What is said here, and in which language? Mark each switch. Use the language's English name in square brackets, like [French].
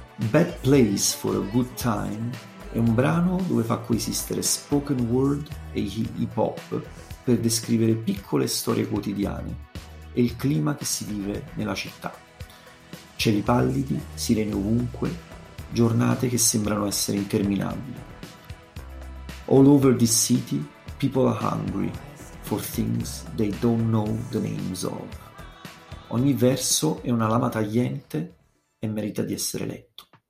[Italian] Bad Place for a Good Time è un brano dove fa coesistere spoken word e hip hop per descrivere piccole storie quotidiane e il clima che si vive nella città. Cieli pallidi, sirene ovunque, giornate che sembrano essere interminabili. [English] All over this city, people are hungry for things they don't know the names of. [Italian] Ogni verso è una lama tagliente e merita di essere letto.